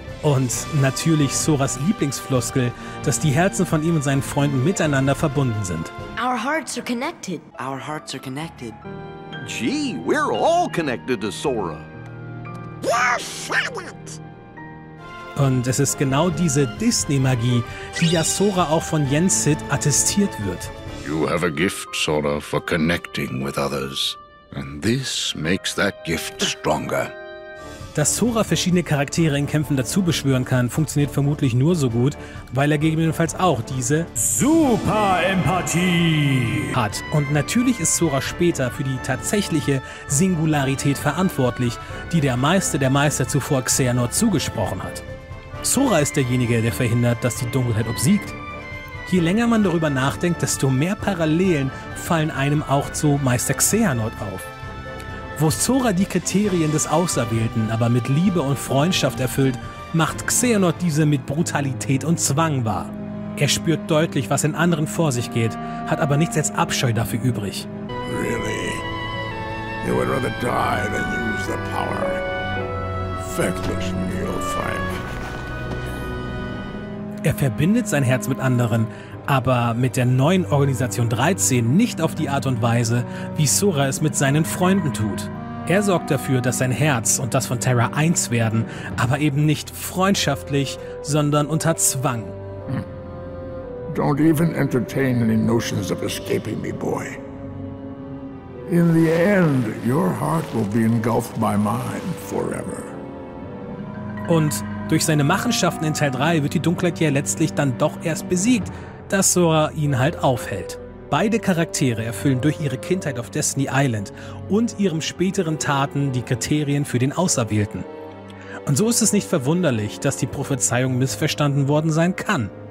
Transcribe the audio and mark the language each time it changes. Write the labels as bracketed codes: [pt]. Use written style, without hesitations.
[de] Und natürlich Soras Lieblingsfloskel, dass die Herzen von ihm und seinen Freunden miteinander verbunden sind. [en] Our hearts are connected. Our hearts are connected. Gee, we're all connected to Sora. [de] Und es ist genau diese Disney-Magie, die ja Sora auch von Jen Sid attestiert wird. [en] You have a gift, Sora, for connecting with others. And this makes that gift stronger. [de] Dass Sora verschiedene Charaktere in Kämpfen dazu beschwören kann, funktioniert vermutlich nur so gut, weil er gegebenenfalls auch diese Super-Empathie hat. Und natürlich ist Sora später für die tatsächliche Singularität verantwortlich, die der Meister zuvor Xehanort zugesprochen hat. Sora ist derjenige, der verhindert, dass die Dunkelheit obsiegt. Je länger man darüber nachdenkt, desto mehr Parallelen fallen einem auch zu Meister Xehanort auf. Wo Sora die Kriterien des Auserwählten aber mit Liebe und Freundschaft erfüllt, macht Xehanort diese mit Brutalität und Zwang wahr. Er spürt deutlich, was in anderen vor sich geht, hat aber nichts als Abscheu dafür übrig. [en] Really? You would rather die than use the power. Feckless Neophyte. [de] Er verbindet sein Herz mit anderen, aber mit der neuen Organisation 13 nicht auf die Art und Weise, wie Sora es mit seinen Freunden tut. Er sorgt dafür, dass sein Herz und das von Terra eins werden, aber eben nicht freundschaftlich, sondern unter Zwang. [en] Don't even entertain any notions of escaping me, boy. In the end, your heart will be engulfed by mine forever. [de] Und durch seine Machenschaften in Teil 3 wird die Dunkelheit ja letztlich dann doch erst besiegt, dass Sora ihn halt aufhält. Beide Charaktere erfüllen durch ihre Kindheit auf Destiny Island und ihren späteren Taten die Kriterien für den Auserwählten. Und so ist es nicht verwunderlich, dass die Prophezeiung missverstanden worden sein kann.